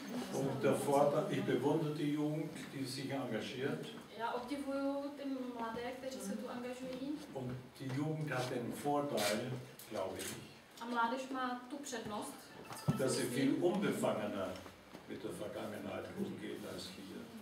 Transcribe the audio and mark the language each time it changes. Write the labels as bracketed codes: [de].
[de] Und der Vorteil, ich bewundere die Jugend, die sich engagiert. [cs] Já obdivuju ty mladé, kteří se tu angažují. [de] Und die Jugend hat den Vorteil, glaube ich. [cs] A mládež má tu přednost. [de] Dass sie viel unbefangener mit der Vergangenheit umgeht als hier.